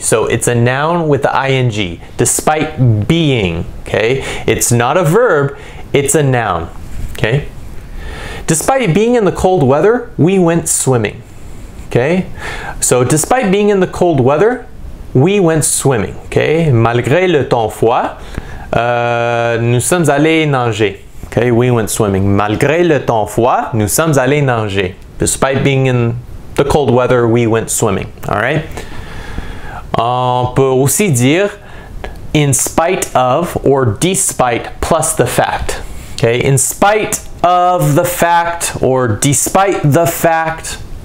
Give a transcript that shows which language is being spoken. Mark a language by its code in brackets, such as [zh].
[en] So it's a noun with the ing. Despite being, okay? It's not a verb, it's a noun. Okay? Despite being in the cold weather, we went swimming. Okay? So, despite being in the cold weather, we went swimming. Okay? [fr] Malgré le temps froid, nous sommes allés nager. Okay? [en] We went swimming. [fr] Malgré le temps froid, nous sommes allés nager. [en] Despite being in the cold weather, we went swimming. All right? [fr] On peut aussi dire [en] in spite of or despite plus the fact. Okay? In spite of the fact or despite the fact.